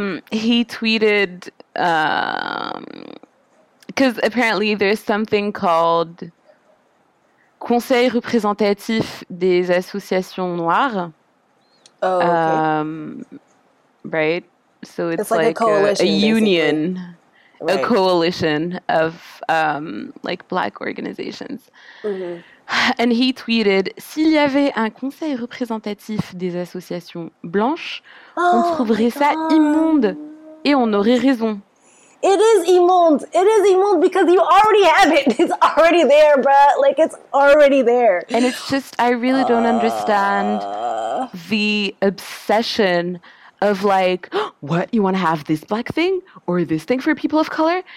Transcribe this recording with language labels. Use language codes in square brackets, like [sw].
[en] He tweeted, because apparently there's something called Conseil représentatif des associations noires. Oh, okay. Right? So it's like a union, right. A coalition of like black organizations. Mm-hmm. And he tweeted, [fr] s'il y avait un conseil représentatif des associations blanches, oh, on trouverait ça immonde et on aurait raison. [en] It is immonde. It is immonde because you already have it. It's already there, bruh. Like, it's already there. And it's just, I really don't understand the obsession of like, what, you want to have this black thing or this thing for people of color?